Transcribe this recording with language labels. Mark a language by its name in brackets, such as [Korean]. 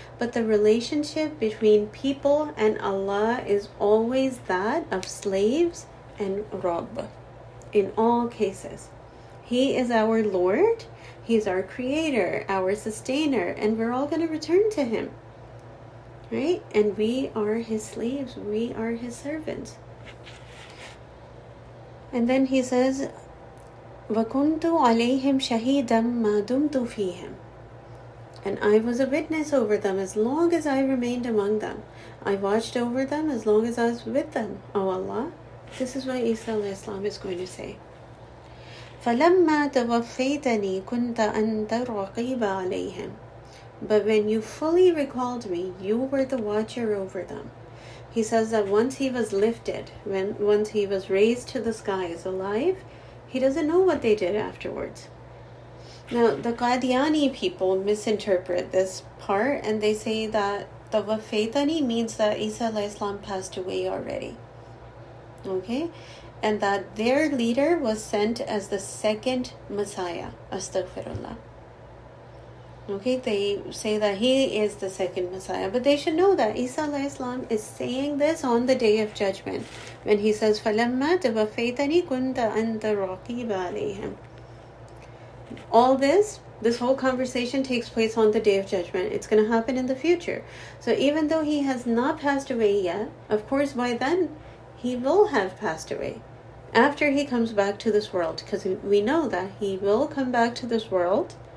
[English] But the relationship between people and Allah is always that of slaves and Rabb in all cases. He is our Lord, He's our Creator, our Sustainer, and we're all going to return to Him. Right? And we are His slaves, we are His servants. And then he says, [Arabic] وَكُنْتُ عَلَيْهِمْ شَهِيدًا مَا دُمْتُ فِيهِمْ. [English] And I was a witness over them as long as I remained among them. I watched over them as long as I was with them, O Allah. This is what Isa al-Islam is going to say. [Arabic] فَلَمَّا تَوَفَّيْتَنِي كُنْتَ أَنْتَ الرَّقِيبَ عَلَيْهِمْ. [English] But when you fully recalled me, you were the watcher over them. He says that once he was lifted, once he was raised to the skies alive, he doesn't know what they did afterwards. Now, the Qadiani people misinterpret this part, and they say that the Wafaitani means that Isa alayhi salam passed away already. Okay? And that their leader was sent as the second Messiah, Astaghfirullah. Okay, they say that he is the second Messiah. But they should know that Isa alayhi salam is saying this on the Day of Judgment. When he says, [Arabic] فَلَمَّا تَوَفَّيْتَنِي كُنْتَ أَنْتَ الرَّقِيبَ عَلَيْهِمْ. [English] All this whole conversation takes place on the Day of Judgment. It's going to happen in the future. So even though he has not passed away yet, of course by then he will have passed away. After he comes back to this world. Because we know that he will come back to this world.